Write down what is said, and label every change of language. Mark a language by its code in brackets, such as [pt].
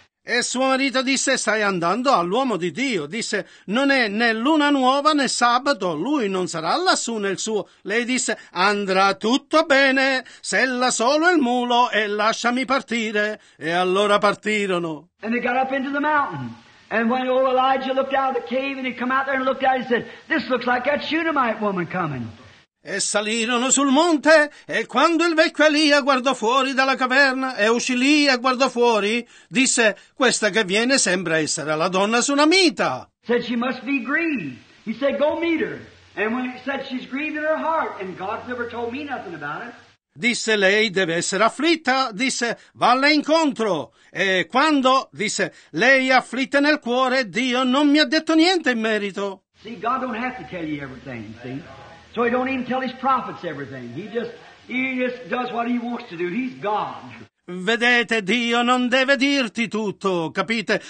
[it] E suo marito disse, stai andando all'uomo di Dio. Disse, non è né luna nuova né sabato, lui non sarà lassù nel suo. Lei disse, andrà tutto bene, sella solo il mulo e lasciami partire. E allora partirono. [en] And they got up into the mountain. And when old Elijah looked out of the cave and he come out there and looked out, he said, this looks like that Shunammite woman coming. [it] E salirono sul monte, e quando il vecchio Elia guardò fuori dalla caverna, e uscì lì e guardò fuori, disse, questa che viene sembra essere la donna Sunamita. [en] Said she must be grieved. He said, go meet her. And when he said she's grieved in her heart, and God's never told me nothing about it. [it] Disse, lei deve essere afflitta, disse, valle incontro. E quando, disse, lei è afflitta nel cuore, Dio non mi ha detto niente in merito. [en] See, God don't have to tell you everything, see? So he don't even tell his prophets everything. He just does what he wants to do. He's God. [it] Vedete, Dio non deve dirti tutto, capite?